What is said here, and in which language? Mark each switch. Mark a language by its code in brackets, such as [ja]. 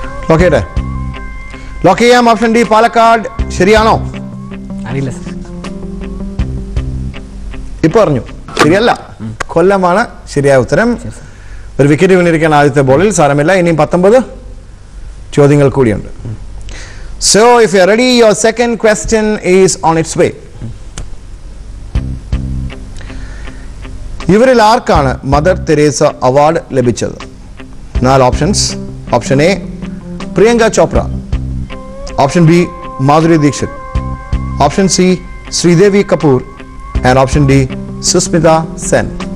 [en] Lock it. Lock it. Option D, Palakkad. [ml] ശരിയാണ്? അറിയില്ല sir. ഇപ്പോൾ പറഞ്ഞു ശരിയല്ല, കൊല്ലമാണ് ശരിയായ ഉത്തരം. ഒരു വിക്കറ്റ് വീണിരിക്കുകയാണ് ആദ്യത്തെ ബോളിൽ. സാരമില്ല, ഇനിയും 19 ചോദ്യങ്ങൾ കൂടിയുണ്ട്. [en] So if you are ready, your second question is on its way. [ml] ഇവരിൽ ആർക്കാണ് മദർ തെരേസ അവാർഡ് ലഭിച്ചത്? 4 options. Option A Priyanka Chopra, option B Madhuri Dikshit, option C Sridevi Kapoor, and option D Sushmita Sen.